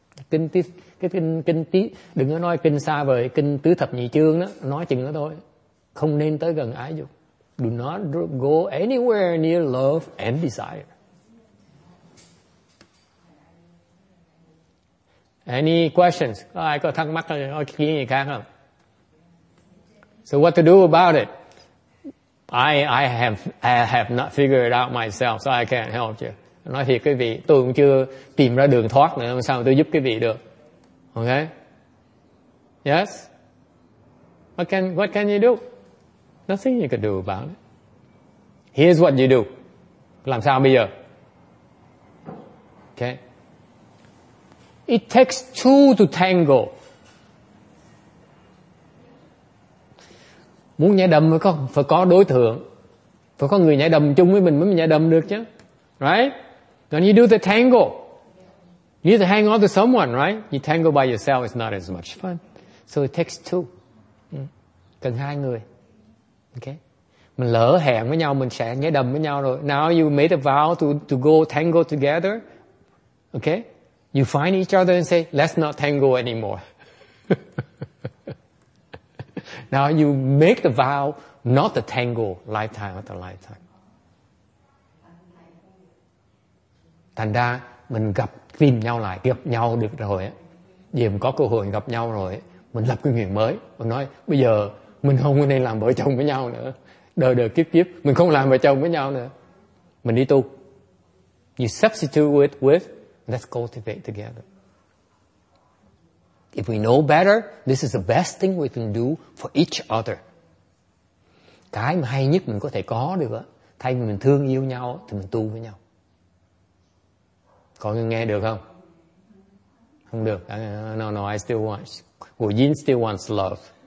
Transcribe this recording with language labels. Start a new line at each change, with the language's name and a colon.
Vietnamese: Kinh tí, đừng có nói kinh xa vời, kinh tứ thập nhị chương đó, nói chừng đó thôi. Không nên tới gần ái dục.
English: Do not go anywhere near love and desire. Any questions?
Vietnamese: Ai có thắc mắc hay có gì khác không?
English: So what to do about it? I have not figured it out myself, so I can't help you.
Vietnamese: Nói thiệt quý vị, tôi cũng chưa tìm ra đường thoát nữa, làm sao tôi giúp quý vị được?
English: Okay? Yes? What can you do? Nothing you can do about it. Here's what you do.
Vietnamese: Làm sao bây giờ?
English: Okay? It takes two to tango.
Vietnamese: Muốn nhảy đầm phải có đối tượng. Phải có người nhảy đầm chung với mình mới nhảy đầm được chứ.
English: Right? Then you do the tango. You need to hang on to someone, right? You tango by yourself, it's not as much fun. So it takes two.
Vietnamese: Cần hai người.
English: Okay?
Vietnamese: Mình lỡ hẹn với nhau, mình sẽ nhảy đầm với nhau rồi.
English: Now you made a vow to go tango together. Okay? You find each other and say, let's not tango anymore. Now you make the vow not to tangle lifetime after lifetime.
Vietnamese: Thành ra mình gặp tìm nhau lại, gặp nhau được rồi, giờ mình có cơ hội gặp nhau rồi, mình lập cái nguyện mới. Mình nói bây giờ mình không nên làm vợ chồng với nhau nữa. Đời đời kiếp kiếp mình không làm vợ chồng với nhau nữa. Mình đi tu.
English: You substitute it with let's cultivate together. If we know better, this is the best thing we can do for each other.
Vietnamese: Cái mà hay nhất mình có thể có được á, thay vì mình thương yêu nhau thì mình tu với nhau. Có nghe được không? Không được.
English: No, I still want. Well, Jin still wants love.